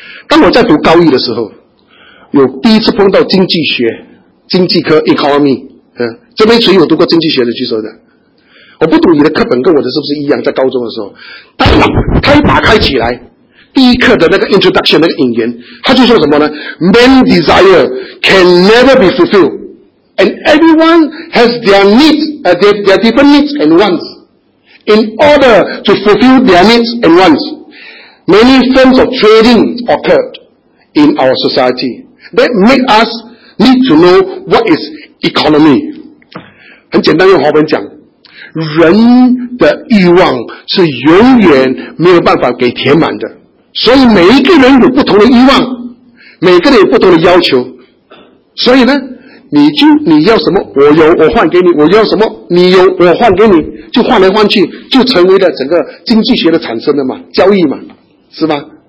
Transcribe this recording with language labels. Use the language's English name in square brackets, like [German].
[Chinese] 当我在读高一的时候，有第一次碰到经济学经济科 economy 这边谁有读过经济学的举手的？我不懂你的课本跟我的是不是一样，在高中的时候他一打开起来第一课的那个 introduction 那个引言，他就说什么呢？ [English] Man desire can never be fulfilled and everyone has their needs their different needs and wants. In order to fulfill their needs and wants, many forms of trading occurred in our society that make us need to know what is economy. [Chinese] 很简单，用华文讲，人的欲望是永远没有办法给填满的，所以每一个人有不同的欲望，每个人有不同的要求，所以呢你要什么我有我换给你，我要什么你有我换给你，就换来换去，就成为了整个经济学的产生的嘛，交易嘛，是吧？